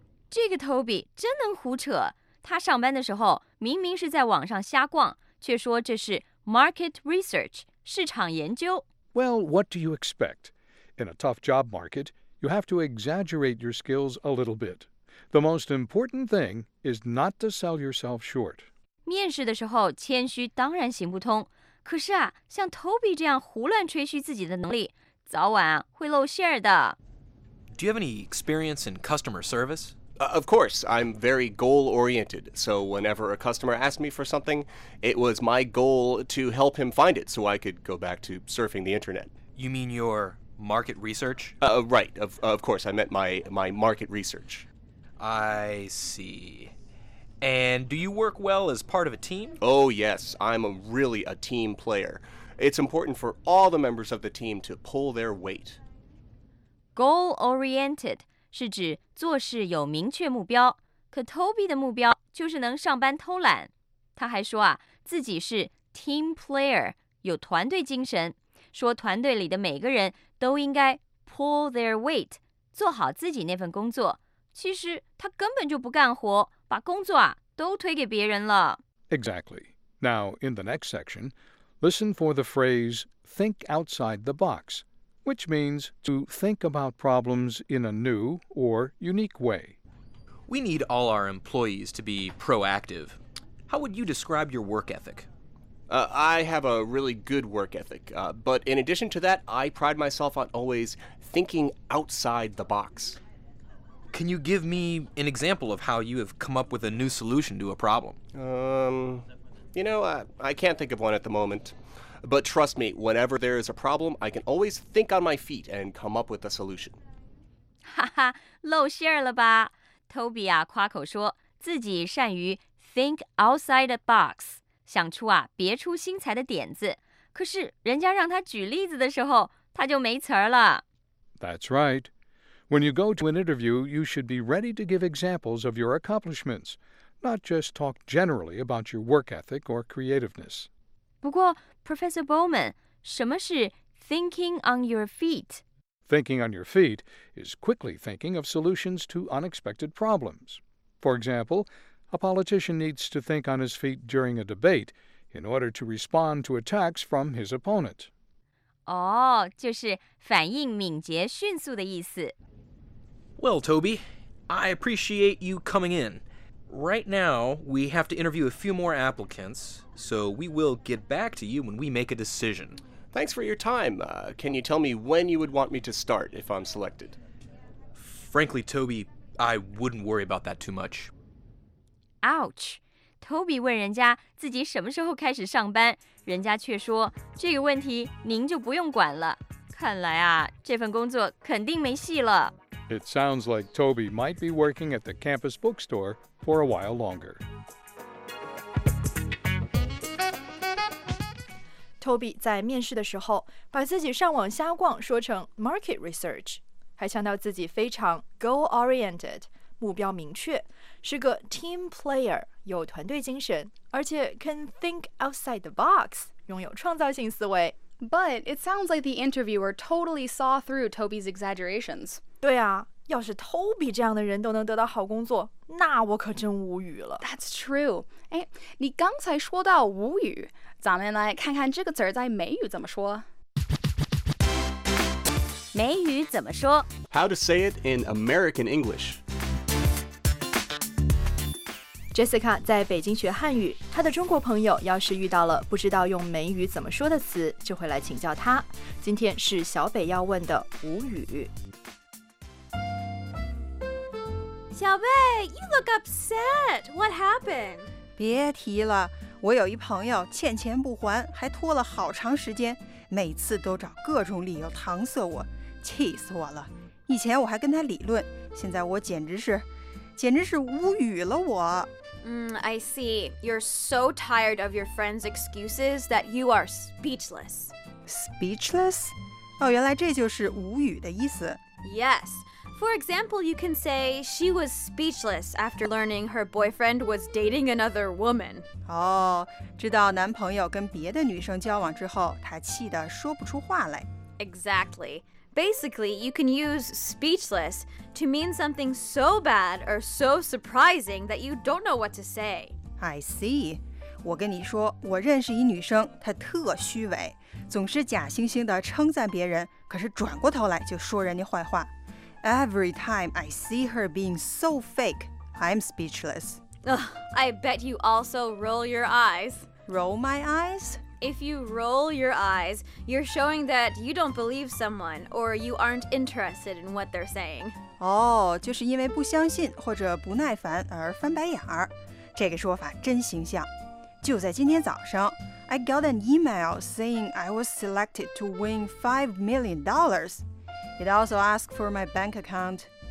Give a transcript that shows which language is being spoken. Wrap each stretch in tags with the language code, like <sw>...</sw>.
<zh>这个 Toby 真能胡扯。他上班的时候明明是在网上瞎逛，却说这是 market research, 市场研究。</zh> <en>Well, what do you expect? In a tough job market, you have to exaggerate your skills a little bit. The most important thing is not to sell yourself short.</en> <zh>面试的时候谦虚当然行不通，可是啊，像 Toby 这样胡乱吹嘘自己的能力，早晚啊会露馅的。</zh> <en>Do you have any experience in customer service? Of course, I'm very goal-oriented, so whenever a customer asked me for something, it was my goal to help him find it so I could go back to surfing the internet. You mean your market research? Right, of course, I meant my market research. I see... And do you work well as part of a team? Oh, yes. I'm really a team player. It's important for all the members of the team to pull their weight.</en> <zh>Goal-oriented 是指做事有明确目标。可 Toby 的目标就是能上班偷懒。他还说啊，自己是 team player, 有团队精神。说团队里的每个人都应该</zh> <en>pull their weight,</en> <zh>做好自己那份工作。其实他根本就不干活。把工作啊都推给别人了。</zh> <en>Exactly. Now, in the next section, listen for the phrase think outside the box, which means to think about problems in a new or unique way. We need all our employees to be proactive. How would you describe your work ethic? I have a really good work ethic, but in addition to that, I pride myself on always thinking outside the box. Can you give me an example of how you have come up with a new solution to a problem? I can't think of one at the moment. But trust me, whenever there is a problem, I can always think on my feet and come up with a solution.</en> <zh>哈哈，露馅了吧。Toby 啊，夸口说自己善于</zh> <en>think outside the box,</en> <zh>想出啊别出心裁的点子。可是人家让他举例子的时候，他就没词了。</zh> <en>That's right. When you go to an interview, you should be ready to give examples of your accomplishments, not just talk generally about your work ethic or creativeness.</en> <zh>不过, Professor Bowman, 什么是</zh> <en>thinking on your feet. Thinking on your feet is quickly thinking of solutions to unexpected problems. For example, a politician needs to think on his feet during a debate in order to respond to attacks from his opponent.</en> <zh>就是反应敏捷迅速的意思。</zh> <en>Well, Toby, I appreciate you coming in. Right now, we have to interview a few more applicants, so we will get back to you when we make a decision. Thanks for your time. Can you tell me when you would want me to start if I'm selected? Frankly, Toby, I wouldn't worry about that too much. Ouch!</en> <zh>Toby 问人家自己什么时候开始上班，人家却说，这个问题您就不用管了。看来啊，这份工作肯定没戏了。</zh> <en>It sounds like Toby might be working at the campus bookstore for a while longer.</en> <zh>Toby 在面试的时候把自己上网瞎逛说成 market research， 还强调自己非常 goal oriented， 目标明确，是个 team player， 有团队精神，而且</zh> <en>can think outside the box，</en> <zh>拥有创造性思维。</zh> <en>But it sounds like the interviewer totally saw through Toby's exaggerations.</en> <zh>对啊，要是 Toby 这样的人都能得到好工作，那我可真无语了。</zh> <en>That's true.</en> <zh>哎，你刚才说到无语，咱们来看看这个词在美语怎么说。美语怎么说？</zh> <en>How to say it in American English.</en> <zh>Jessica 在北京学汉语，她的中国朋友要是遇到了不知道用美语怎么说的词，就会来请教她。今天是小北要问的无语。</zh> <en>小北， you look upset. What happened?</en> <zh>别提了，我有一朋友欠钱不还，还拖了好长时间，每次都找各种理由搪塞我，气死我了。以前我还跟他理论，现在我简直是无语了我。</zh> <en>I see. You're so tired of your friend's excuses that you are speechless. Speechless?</en> <zh>哦，原来这就是无语的意思。</zh> <en>Yes. For example, you can say she was speechless after learning her boyfriend was dating another woman.</en> <zh>哦，知道男朋友跟别的女生交往之后，她气得说不出话来。</zh> <en>Exactly. Basically, you can use speechless to mean something so bad or so surprising that you don't know what to say. I see.</en> <zh>我跟你说，我认识一女生，她特虚伪，总是假惺惺地称赞别人，可是转过头来就说人家坏话。</zh> <en>Every time I see her being so fake, I'm speechless. Ugh, I bet you also roll your eyes. Roll my eyes? If you roll your eyes, you're showing that you don't believe someone or you aren't interested in what they're saying.</en> <zh>哦，就是因为不相信或者不耐烦而翻白眼儿。这个说法真形象。就在今天早上，</zh> <en>I got an email saying I was selected to win $5 million. It also asked for my bank account.</en>